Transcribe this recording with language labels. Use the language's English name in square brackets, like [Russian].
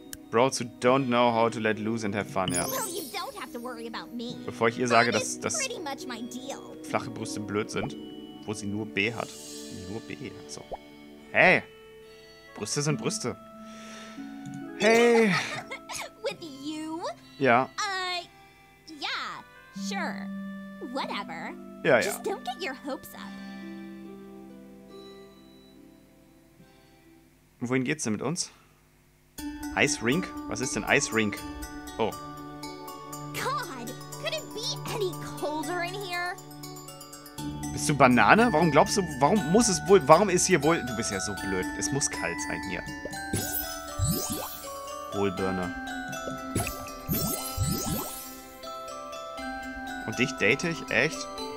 [English] Bros who don't know how to let loose and have fun, ja. Well, you don't have to worry about me. [German] Bevor ich ihr sage, dass flache Brüste blöd sind, wo sie nur B hat. Nur B, also. Hey! Brüste sind Brüste. Hey! [English] With you? [German] Ja. [English] Yeah, sure. Whatever. [German] Ja, ja. [English] Just don't get your hopes up. [German] Wohin geht's denn mit uns? Ice Rink? Was ist denn Ice Rink? Oh. [English] God, could it be any colder in here? [German] Bist du Banane? Warum glaubst du, warum muss es wohl, warum ist hier wohl, du bist ja so blöd, es muss kalt sein hier. Wohlbirne. Und dich date ich? Echt?